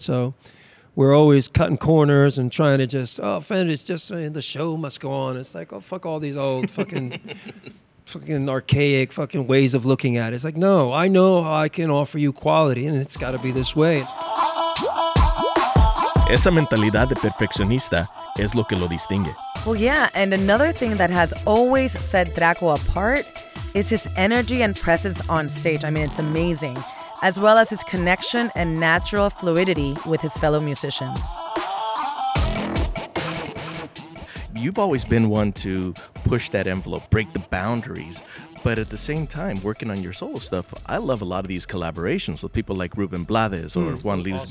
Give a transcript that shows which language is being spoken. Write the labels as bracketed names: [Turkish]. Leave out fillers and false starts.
[English] So we're always cutting corners and trying to just, oh, Fendi, it's just, I mean, the show must go on. It's like, oh, fuck all these old fucking... fucking archaic fucking ways of looking at it. It's like, no, I know how I can offer you quality and it's got to be this way. [Spanish] Esa mentalidad de perfeccionista es lo que lo distingue. [English] Well, yeah, and another thing that has always set Draco apart is his energy and presence on stage. I mean, it's amazing. As well as his connection and natural fluidity with his fellow musicians. You've always been one to push that envelope, break the boundaries, but at the same time, working on your solo stuff, I love a lot of these collaborations with people like Ruben Blades or Juan Luis awesome.